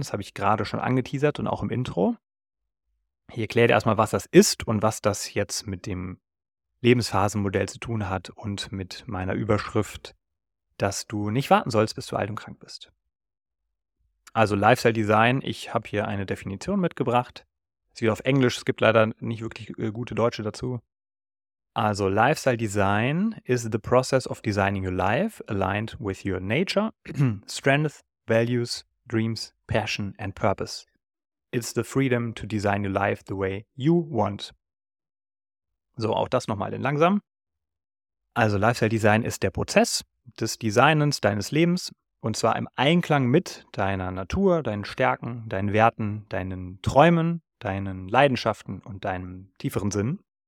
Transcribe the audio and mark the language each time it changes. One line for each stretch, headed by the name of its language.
German: Das habe ich gerade schon angeteasert und auch im Intro. Ich erkläre dir erstmal, was das ist und was das jetzt mit dem Lebensphasenmodell zu tun hat und mit meiner Überschrift, dass du nicht warten sollst, bis du alt und krank bist. Also Lifestyle Design, ich habe hier eine Definition mitgebracht. Sie ist auf Englisch, es gibt leider nicht wirklich gute Deutsche dazu.
English: Also Lifestyle Design is the process of designing your life aligned with your nature, strengths, values, dreams, passion and purpose. It's the freedom to design your life the way you want.
German: So, auch das nochmal in langsam. Also Lifestyle Design ist der Prozess des Designens deines Lebens, Und zwar im Einklang mit deiner Natur, deinen Stärken, deinen Werten, deinen Träumen, deinen Leidenschaften und deinem tieferen Sinn.